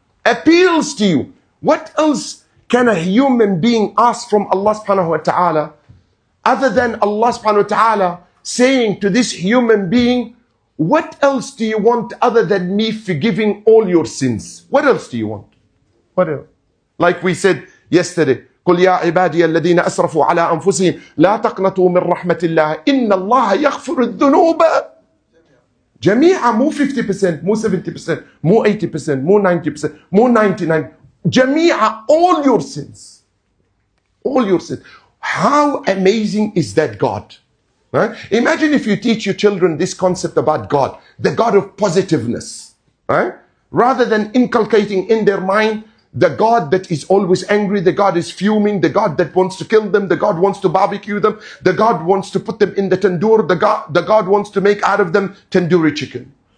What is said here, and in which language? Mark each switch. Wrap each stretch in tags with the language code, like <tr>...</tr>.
<en>Appeals to you. What else can a human being ask from Allah subhanahu wa ta'ala other than Allah subhanahu wa ta'ala saying to this human being, what else do you want other than me forgiving all your sins? What else do you want? What else? Like we said yesterday,</en> <ar>قُلْ يَا عِبَادِيَ الَّذِينَ أَسْرَفُوا عَلَىٰ أَنفُسِهِمْ لَا تَقْنَطُوا مِنْ رَحْمَةِ اللَّهِ إِنَّ اللَّهَ يَغْفِرُ الذُّنُوبَ جَمِيعَ مو 50%, مو 70%, مو 80%, مو 90%, مو 99%. جَمِيعَ</ar> <en>all your sins. All your sins. How amazing is that God? Right? Imagine if you teach your children this concept about God, the God of positiveness, right? Rather than inculcating in their mind the God that is always angry, the God is fuming, the God that wants to kill them, the God wants to barbecue them, the God wants to put them in the tandoor, the God wants to make out of them tandoori chicken.</en>